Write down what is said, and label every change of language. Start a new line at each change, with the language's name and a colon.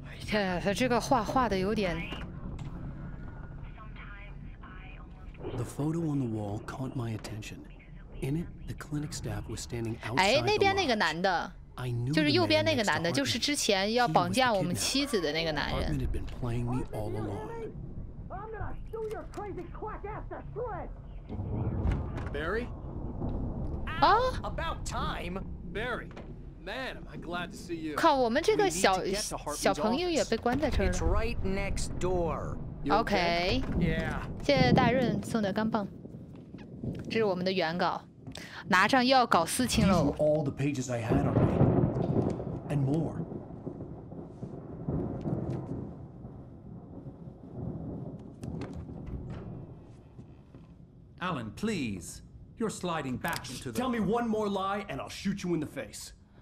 Chinese: 他这个画画的有点。
English: The photo on the wall caught my attention. In it, the clinic staff was standing outside.
Chinese: 哎，那边那个男的，就是右边那个男的，就是之前要绑架我们妻子的那个男人。
English: Hartman had been playing me all along. Barry. Ah. About time, Barry. Man, am I glad to see you.
Chinese: 靠，我们这个小朋友也被关在这儿了。
English: It's right next door. Okay. Yeah.
Chinese: 谢谢大任送的钢棒。这是我们的原稿，拿上又要搞四清喽。
English: These were all the pages I had on me, and more. Alan, please, you're sliding back into the. Tell me one more lie, and I'll shoot you in the face.